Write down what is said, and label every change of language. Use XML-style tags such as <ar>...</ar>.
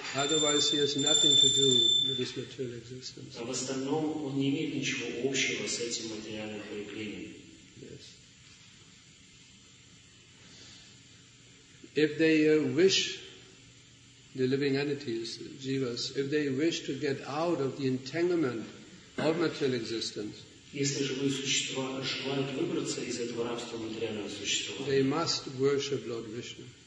<en>Otherwise, he has nothing to do with this material existence.</en> <ru>А в остальном он не имеет ничего общего с этим материальным проявлением.</ru> <en>Yes. If they wish, the living entities, the jivas, if they wish to get out of the entanglement of material existence, they must worship Lord Vishnu.</en>